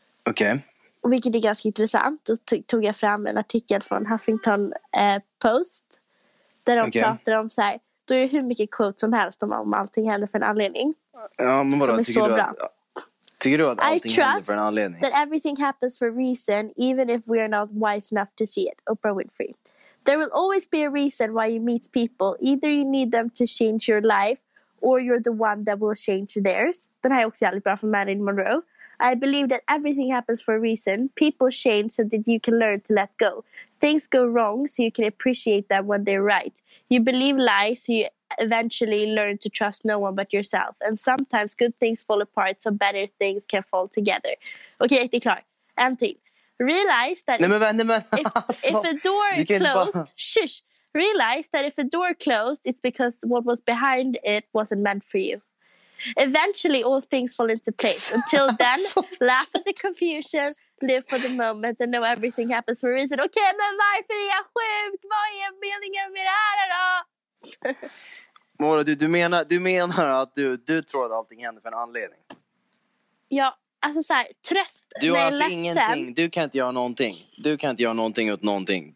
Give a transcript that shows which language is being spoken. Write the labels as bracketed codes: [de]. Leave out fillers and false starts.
[sv] Okej. [en] Okay. [sv] Vilket är ganska intressant. Då tog jag fram en artikel från Huffington Post där de pratar om så här, då är det hur mycket quote som helst om allting händer för en anledning. Ja, men bara tycker du att allting händer för en anledning? [en] I trust that everything happens for a reason even if we are not wise enough to see it. Oprah Winfrey. There will always be a reason why you meet people. Either you need them to change your life or you're the one that will change theirs. [sv] Den här är också jävligt bra från Marilyn Monroe. [en] I believe that everything happens for a reason. People change so that you can learn to let go. Things go wrong so you can appreciate them when they're right. You believe lies so you eventually learn to trust no one but yourself. And sometimes good things fall apart so better things can fall together. [sv] Okej, det är klart. En till. [en] Realize that if a door closed, realize that if a door closed, it's because what was behind it wasn't meant for you. Eventually, all things fall into place. Until then, laugh at the confusion, live for the moment, and know everything happens for a reason. [sv] Okay, men varför är jag sjuk? Vad är meningen med det här då? Mora, du menar att du tror att allting händer för en anledning? Ja. Alltså så här, tröst. Du har alltså ingenting, du kan inte göra någonting. Du kan inte göra någonting åt någonting.